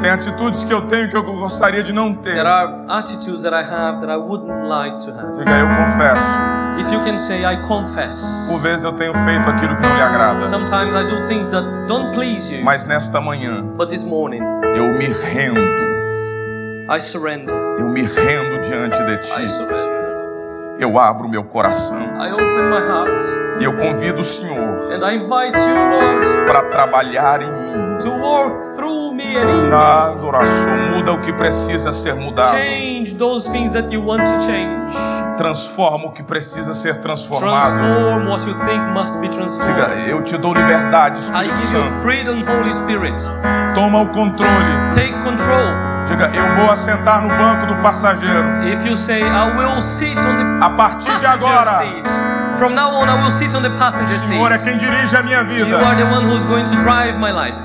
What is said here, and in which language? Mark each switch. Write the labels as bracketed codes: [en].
[pt] Tem atitudes que eu tenho que eu gostaria de não ter. [en] There are attitudes that I have that I wouldn't like to have. [pt] Diga, eu confesso. [en] If you can say, I confess. [pt] Por vezes eu tenho feito aquilo que não lhe agrada. [en] Sometimes I do things that don't please you. [pt] Mas nesta manhã. [en] But this morning. [pt] Eu me rendo. [en] I surrender. [pt] Eu me rendo diante de ti. [en] I surrender. [pt] Eu abro meu coração. [en] I open my heart. [pt] E eu convido o Senhor. [en] And I invite you, Lord. [pt] Para trabalhar em mim. [en] To work through. [pt] Na adoração, muda o que precisa ser mudado. [en] Change those things that you want to change. [pt] Transforma o que precisa ser transformado. [en] Transform what you think must be transformed. [pt] Diga, eu te dou liberdade, Espírito [en] Santo. I give you freedom, Holy Spirit. [pt] Toma o controle. [en] Take control. [pt] Diga, eu vou assentar no banco do passageiro. [en] If you say, I will sit on the [pt] a partir de agora. [en] From now on, I will sit on the passenger seat. [pt] Senhor é quem dirige a minha vida. [en] You are the one who's going to drive my life.